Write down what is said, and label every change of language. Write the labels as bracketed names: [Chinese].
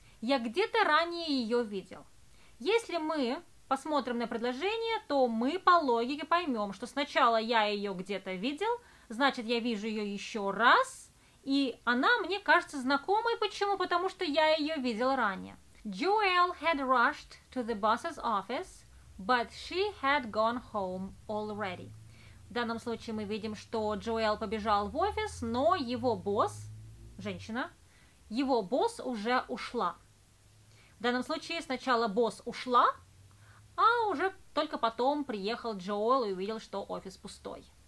[Russian] Я где-то ранее ее видел. Если мы посмотрим на предложение, то мы по логике поймем, что сначала я ее где-то видел, значит, я вижу ее еще раз, и она мне кажется знакомой. Почему? Потому что я ее видел ранее. [English] Joelle had rushed to the boss's office, but she had gone home already. [Russian] В данном случае мы видим, что Joelle побежал в офис, но его босс, женщина, его босс уже ушла. В данном случае сначала босс ушла, а уже только потом приехал Джоэл и увидел, что офис пустой.